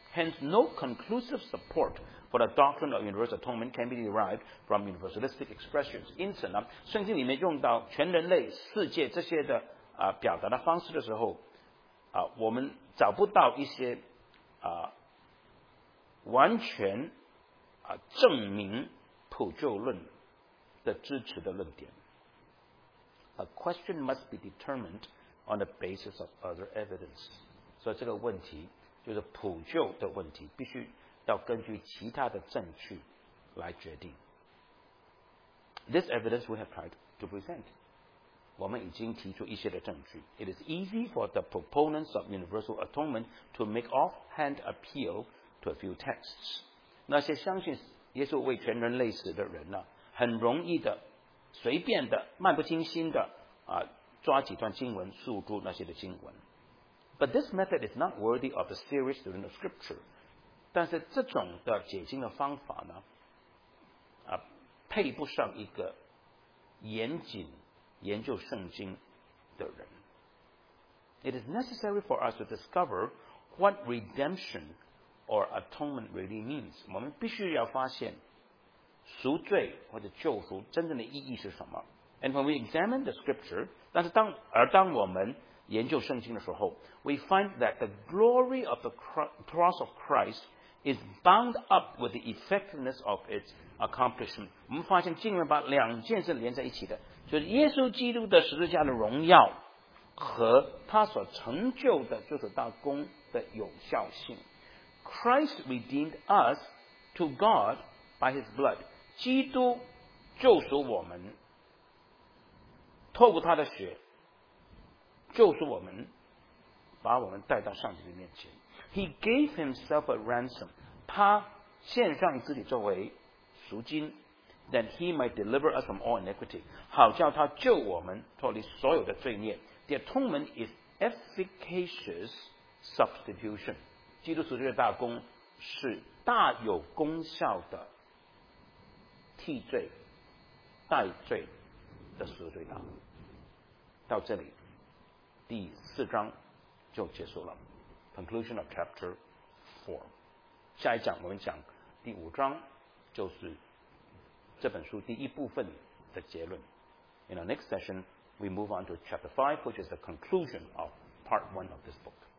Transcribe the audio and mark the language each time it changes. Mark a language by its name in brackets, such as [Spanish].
[English] Hence no conclusive support for the doctrine of universal atonement can be derived from universalistic expressions， [Chinese] 因此呢圣经里面用到全人类世界这些的表达的方式的时候我们找不到一些完全证明普救论的支持的论点。 [English] A question must be determined on the basis of other evidence， [Chinese] 所以这个问题就是普救的问题，必须要根据其他的证据来决定。 [English] This evidence we have tried to present， [Chinese] 我们已经提出一些的证据。 [English] It is easy for the proponents of universal atonement to make offhand appeal to a few texts， [Chinese] 那些相信耶稣为全人类死的人呢，很容易的随便的漫不经心的抓几段经文诉诸那些的经文。 [English] But this method is not worthy of the serious student of scripture， [Chinese] 但是这种的解经的方法呢配不上一个严谨研究圣经的人。 [English] It is necessary for us to discover what redemption or atonement really means， [Chinese] 我们必须要发现赎罪或者救赎真正的意义是什么。 [English] And when we examine the scripture， [Chinese] 当我们研究圣经的时候， [English] we find that the glory of the cross of Christ is bound up with the effectiveness of its accomplishment， [Chinese] 我们发现经文把两件事连在一起的，就是耶稣基督的十字架的荣耀和他所成就的就是大功的有效性。 [English] Christ redeemed us to God by his blood. [Chinese] 基督救赎我们，透过他的血救赎我们，把我们带到上帝的面前。 [English] He gave himself a ransom. [Chinese] 他献上自己作为赎金， [English] that he might deliver us from all iniquity. [Chinese] 好叫他救我们脱离所有的罪孽。 [English] The atonement is efficacious substitution. [Chinese] 基督赎罪的大功是大有功效的替罪、代罪的赎罪大功。到这里，第四章就结束了。 [English] Conclusion of chapter 4. [Chinese] 下一讲我们讲第五章，就是这本书第一部分的结论。 [English] In our next session, we move on to chapter 5, which is the conclusion of part 1 of this book.